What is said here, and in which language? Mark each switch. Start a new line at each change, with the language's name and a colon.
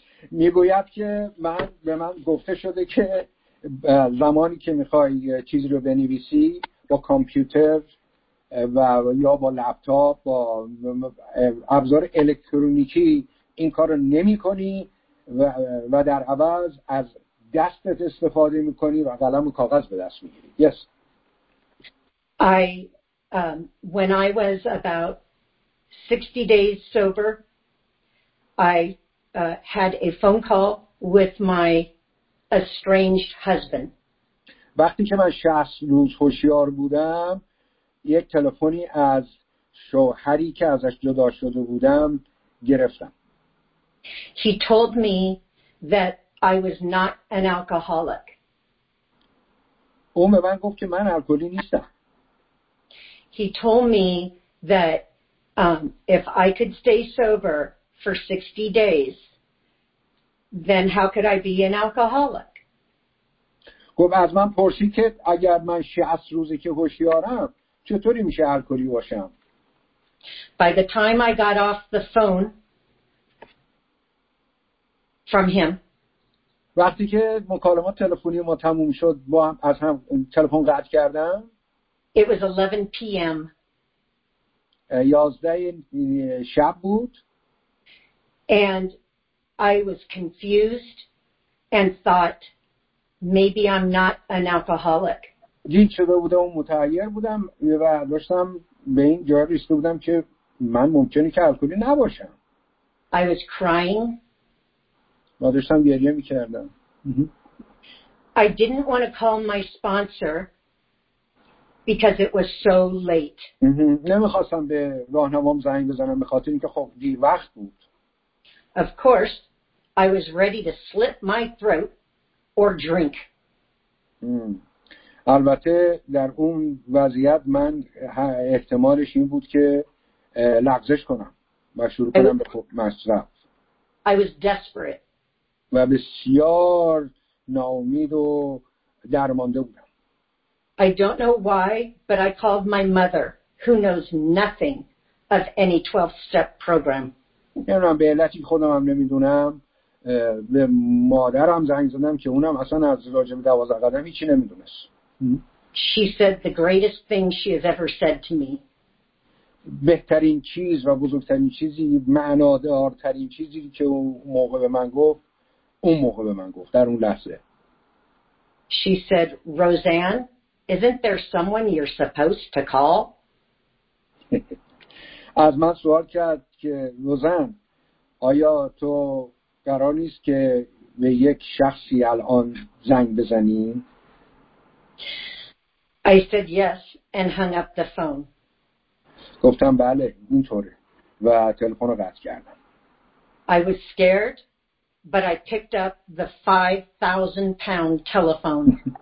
Persian: میگوید که من به من گفته شده که زمانی که میخوای چیزی رو بنویسی با کامپیوتر و یا با لپتاپ با ابزار الکترونیکی این کار رو نمی کنی و در عوض از دستت استفاده می کنی و قلم و کاغذ به دست می گیری.
English: Yes. When I was about 60 days sober, I had a phone call with my estranged husband.
Persian: وقتی که من 60 روز هوشیار بودم، یک تلفنی از شوهری که ازش جدا شده بودم گرفتم.
English: He told me that I was not an alcoholic.
Persian: او به من گفت که من الکلی نیستم.
English: He told me that if I could stay sober for 60 days, then how could I be an alcoholic?
Persian: گفت از من پرسید که اگر من 60 روزی که هوشیارم چطوری میشه الکلی باشم؟
English: By the time I got off the phone from him,
Persian: وقتی که مکالمه تلفنی ما تموم شد با هم از هم تلفن قطع کردم.
English: It was 11 p.m.
Persian: 11 شب بود.
English: And I was confused and thought maybe I'm not an alcoholic.
Persian: گیج شده بودم و متحیر بودم و داشتم به این جای رسیده بودم که من ممکنه که الکلی نباشم.
English: I was crying.
Persian: و داشتم گریه می کردم.
English: I didn't want to call my sponsor because it was so late.
Persian: نمیخواستم به راهنمام زنگ بزنم به خاطر اینکه خب دیر وقت بود.
English: Of course, I was ready to slit my throat or drink.
Persian: البته در اون وضعیت من احتمالش این بود که لغزش کنم و شروع کنم به مصرف.
English: I was desperate.
Persian: و بسیار ناامید و درمانده بودم.
English: I don't know why, but I called my mother, who knows nothing of any 12-step program.
Persian: نمیدونم به علتی خودم هم نمیدونم به مادرم زنگ زدم که اونم اصلا از راجع به 12 قدم هیچی نمیدونست.
English: She said the greatest thing she has ever said to me.
Persian: بهترین چیز و بزرگترین چیزی، معنادارترین چیزی که اون موقع به من گفت، اون موقع به من گفت در اون لحظه.
English: She said, "Roseanne, isn't there someone you're supposed to call?"
Persian: از من سوال کرد که روزن، آیا تو قرار نیست که به یک شخصی الان زنگ بزنی؟
English: I said yes and hung up the phone.
Persian: گفتم بله اینطوره و تلفن رو قطع کردم.
English: I was scared, but I picked up the 5,000-pound telephone.